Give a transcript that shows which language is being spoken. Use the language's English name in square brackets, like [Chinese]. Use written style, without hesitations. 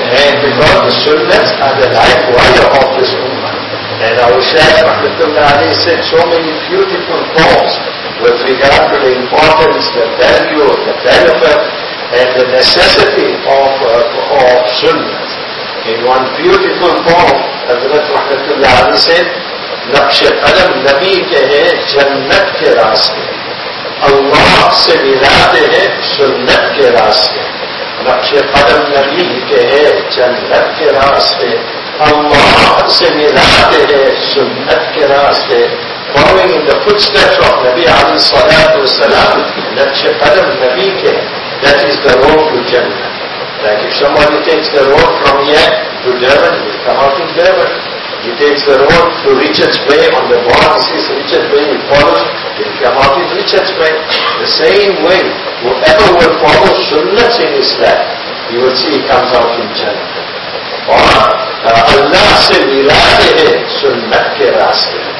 [English] And because the sunnahs are the life wire of this ummah. And our Shaykh Rahmatullah Ali said so many beautiful poems with regard to the importance, the value, the benefit, and the necessity of sunnahs. In one beautiful poem, Hazrat Rahmatullah Ali said, [Urdu] نقش قدم نبی کے ہیں جنت کے راستے اللہ سے ملا دے ہیں سنت کے راستے نقش قدم نبی کے ہیں جنت کے راستے [English] اللہ سے ملا دے ہیں سنت کے راستے following in the footsteps of [Urdu] نبی علی صلی اللہ علیہ وسلم نقش قدم نبی کے [English] that is the road to جنت like if somebody takes the road from here to Durban he'll come out in Durban. He takes the road to Richard's Bay on the board, he sees Richard's Bay, he follows, he'll come out in Richard's Bay. The same way, whoever will follow sunnahs in his life, he will see he comes out in Jannah. [Urdu] Or, Allah se milate hai sunnat ke raaste.